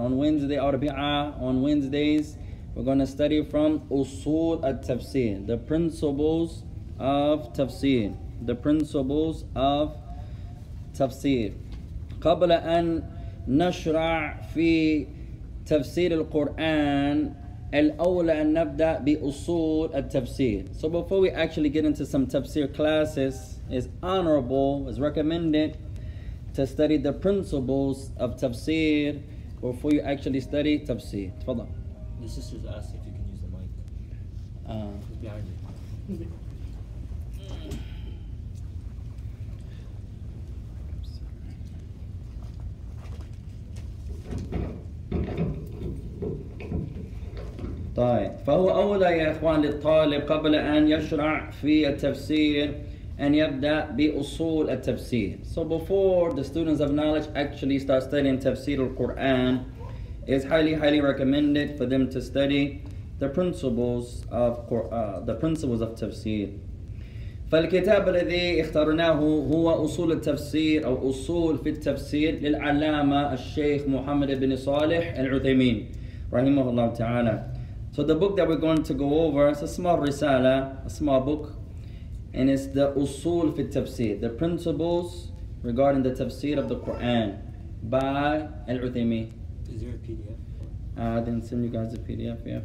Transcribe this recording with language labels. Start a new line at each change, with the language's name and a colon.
English: On Wednesday, Arbi'a, on Wednesdays, we're going to study from Usul al-Tafsir, the principles of Tafsir. The principles of Tafsir.
Arabic: قبل أن نشرع في تفسير القرآن, الأولى أن نبدأ بأصول التفسير.
English: So before we actually get into some Tafsir classes, is honorable, is recommended to study the principles of tafsir before you actually study tafsir. Tafadhal. The sisters asked if you can use the mic. It's behind you.
Arabic: طيب فهو أولى يا إخوان للطالب قبل أن يشرع في التفسير
English: and
Arabic: يبدأ بأصول التفسير.
English: So before the students of knowledge actually start studying Tafsir al-Quran, it's highly, highly recommended for them to study the principles of Tafsir.
Arabic: فالكتاب الذي اخترناه هو أصول التفسير أو أصول في التفسير للعلامة الشيخ محمد بن صالح العثيمين رحمه الله تعالى.
English: So the book that we're going to go over, it's a small رسالة, a small book, and it's the Usul fi Tafsir, the principles regarding the Tafsir of the Quran by Al Uthaymeen. Is there a PDF? I didn't send you guys a PDF, yeah.